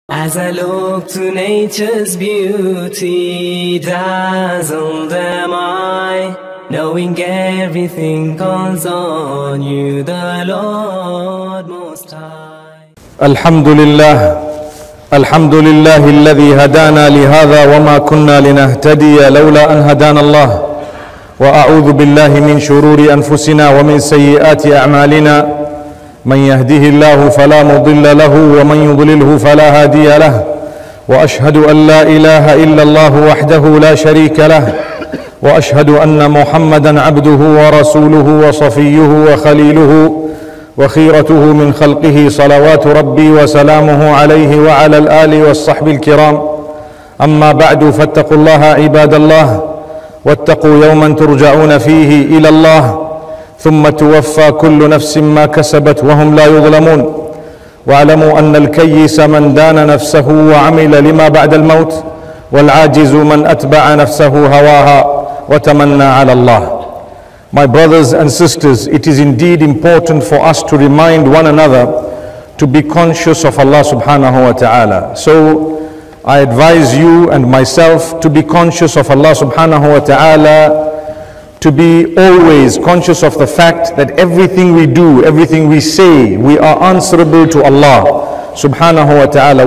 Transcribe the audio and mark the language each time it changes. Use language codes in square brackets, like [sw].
[en] As I look to nature's beauty, dazzled am I, knowing everything calls on you, the Lord Most High. [ar] Alhamdulillah, Alhamdulillah, الذي هدانا لهذا وما كنا لنهتدي لولا أن هدانا الله. وأعوذ بالله من شرور أنفسنا ومن سيئات أعمالنا. من يهده الله فلا مضل له ومن يضلله فلا هادي له وأشهد أن لا إله إلا الله وحده لا شريك له وأشهد أن محمدًا عبده ورسوله وصفيه وخليله وخيرته من خلقه صلوات ربي وسلامه عليه وعلى الآل والصحب الكرام أما بعد فاتقوا الله عباد الله واتقوا يوما ترجعون فيه إلى الله ثم توفى كل نفس ما كسبت وهم لا يظلمون واعلموا أن الكيس من دان نفسه وعمل لما بعد الموت والعاجز من أتبع نفسه هواها وتمنى على الله. [en] My brothers and sisters, it is indeed important for us to remind one another to be conscious of Allah subhanahu wa ta'ala. So I advise you and myself to be conscious of Allah subhanahu wa ta'ala, to be always conscious of the fact that everything we do, everything we say, we are answerable to Allah subhanahu wa ta'ala.